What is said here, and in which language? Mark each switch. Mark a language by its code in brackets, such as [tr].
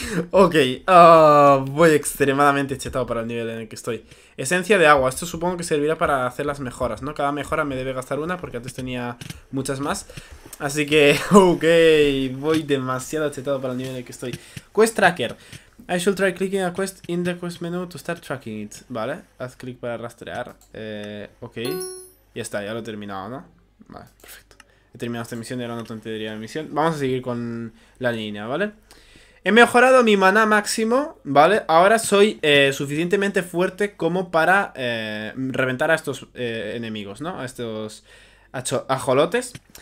[es] Ok, voy extremadamente chetado para el nivel en el que estoy. Esencia de agua. Esto supongo que servirá para hacer las mejoras, ¿no? Cada mejora me debe gastar una porque antes tenía muchas más. Así que, ok, voy demasiado chetado para el nivel en el que estoy. [en] Quest Tracker. I should try clicking a quest in the quest menu to start tracking it. [es] Vale, haz clic para rastrear. Ok. Ya está, ya lo he terminado, ¿no? Vale, perfecto. He terminado esta misión, era una tontería de misión. Vamos a seguir con la línea, ¿vale? He mejorado mi maná máximo, ¿vale? Ahora soy suficientemente fuerte como para reventar a estos enemigos, ¿no? A estos ajolotes.